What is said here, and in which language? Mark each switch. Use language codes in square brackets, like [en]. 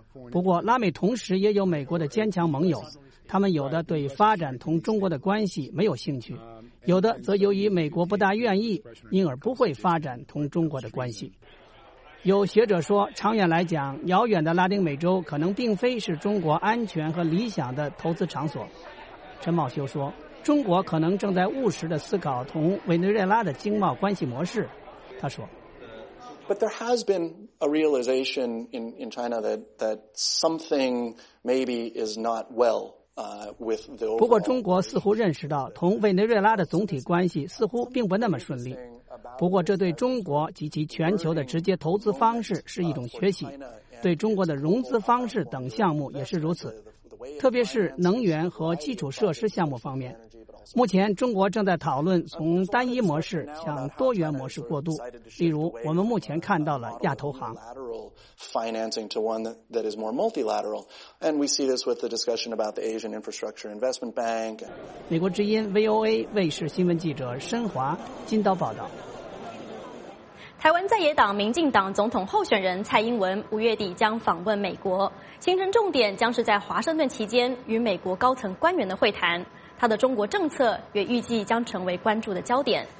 [zh] 不过，拉美同时也有美国的坚强盟友，他们有的对发展同中国的关系没有兴趣，有的则由于美国不大愿意，因而不会发展同中国的关系。有学者说，长远来讲，遥远的拉丁美洲可能并非是中国安全和理想的投资场所。陈茂修说，中国可能正在务实地思考同委内瑞拉的经贸关系模式。他说 [en] ，But there has been a realization in China that something maybe is not well. [zh] 不过中国似乎认识到同委内瑞拉的总体关系似乎并不那么顺利，不过这对中国及其全球的直接投资方式是一种学习，对中国的融资方式等项目也是如此，特别是能源和基础设施项目方面。目前中国正在讨论从单一模式向多元模式过渡，例如我们目前看到了亚投行。 [en] Financing to one that is more multilateral, and we see this with the discussion about the Asian Infrastructure Investment Bank. [zh] 美国之音 VOA 卫视新闻记者申华金刀报道。台湾在野党民进党总统候选人蔡英文五月底将访问美国，行程重点将是在华盛顿期间与美国高层官员的会谈。他的中国政策也预计将成为关注的焦点。